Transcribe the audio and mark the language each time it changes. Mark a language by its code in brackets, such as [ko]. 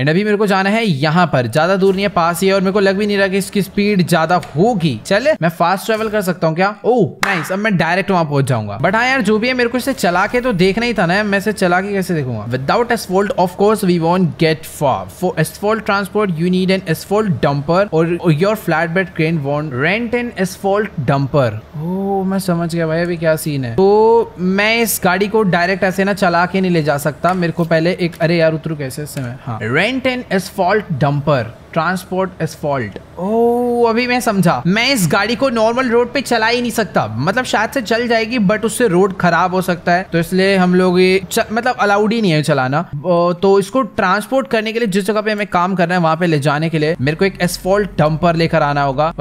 [hi] And अभी मेरे को जाना है यहाँ पर, ज्यादा दूर नहीं है, पास ही है, और मेरे को लग भी नहीं रहा कि इसकी स्पीड ज्यादा होगी। चले मैं फास्ट ट्रेवल कर सकता हूँ क्या? ओ नाइस, अब मैं डायरेक्ट वहां पहुंच जाऊंगा। बट हाँ यार, जो भी है मेरे को इसे चला के तो देखना ही था ना, मैं इसे चला के [en] Without asphalt, of course, we won't get far. For asphalt transport, you need an asphalt dumper or your flatbed crane won't rent an asphalt dumper. [hi] Oh, मैं समझ गया भाई अभी क्या सीन है। तो मैं इस गाड़ी को डायरेक्ट ऐसे ना चला के नहीं ले जा सकता, मेरे को पहले एक, अरे यार उतरू कैसे इससे मैं? [en] हाँ, rent an asphalt dumper. Transport asphalt. [hi] ओह अभी मैं समझा, मैं इस गाड़ी को नॉर्मल रोड पे चला ही नहीं सकता। मतलब शायद से चल जाएगी, बट उससे रोड खराब हो सकता है, तो इसलिए हम लोग ये मतलब अलाउड ही नहीं है चलाना। तो इसको ट्रांसपोर्ट करने के लिए जिस जगह पे हमें काम करना है वहां पे ले जाने के लिए मेरे को एक एस्फॉल्ट डंपर लेकर आना होगा।